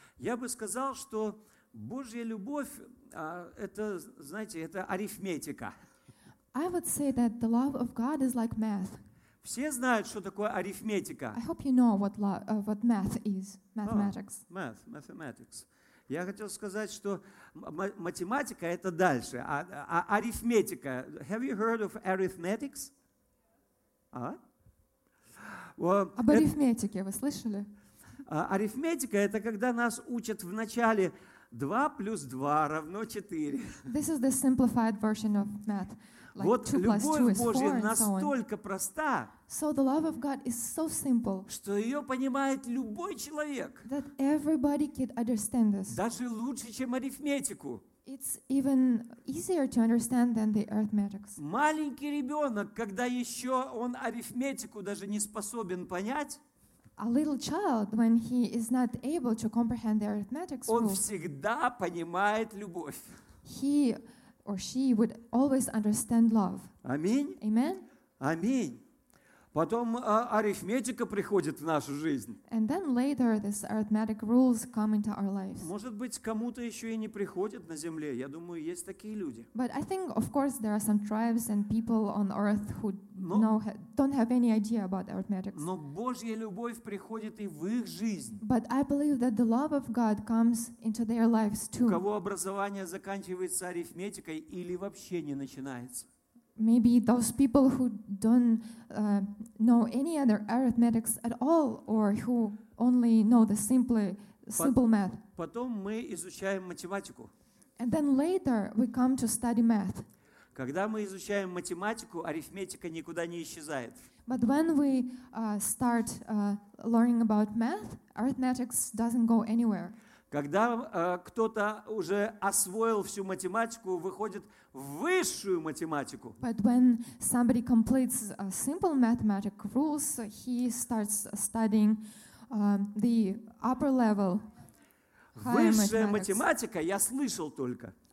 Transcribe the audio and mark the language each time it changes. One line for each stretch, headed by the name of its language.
Russian: Я бы сказал, что Божья любовь — это, знаете, это арифметика.
English: I would say that the love of God is like math.
Russian: Все знают, что такое арифметика.
English: I hope you know what what math is, mathematics. Oh, math, mathematics.
Russian: Я хотел сказать, что математика — это дальше, а арифметика.
English: Have you heard of arithmetics? А?
Russian: Well, об арифметике вы слышали? Арифметика — это когда нас учат в начале 2 плюс 2 равно 4.
English: This is the simplified version of math. Like вот 2 plus 2 is 4 and so on.
Russian: Настолько проста,
English: so the love of God is so simple,
Russian: что ее понимает любой человек.
English: That everybody could understand this.
Russian: Даже лучше, чем арифметику.
English: It's even easier to understand than the arithmetics.
Russian: Маленький ребенок, когда еще он арифметику даже не способен понять,
English: a little child, when he is not able to comprehend the arithmetic rules,
Russian: он всегда понимает любовь.
English: He or she would always understand love.
Russian: Аминь.
English: Amen.
Russian: Аминь. Потом арифметика приходит в нашу жизнь.
English: And then later this arithmetic rules come into our lives.
Russian: Может быть, кому-то еще и не приходит на земле. Я думаю, есть такие люди.
English: But I think, of course, there are some tribes and people on earth who don't have any idea about arithmetic.
Russian: Но Божья любовь приходит и в их жизнь.
English: But I believe that the love of God comes into their lives too.
Russian: У кого образование заканчивается арифметикой или вообще не начинается?
English: Maybe those people who don't know any other arithmetics at all, or who only know the simple math.
Russian: Потом мы изучаем математику.
English: And then later we come to study math.
Russian: Когда мы изучаем математику, арифметика никуда не исчезает.
English: But when we start learning about math, arithmetics doesn't go anywhere.
Russian: Когда кто-то уже освоил всю математику, выходит в высшую математику.
English: But when somebody completes simple mathematic rules, he starts studying the upper level.
Russian: Высшая математика, я слышал только.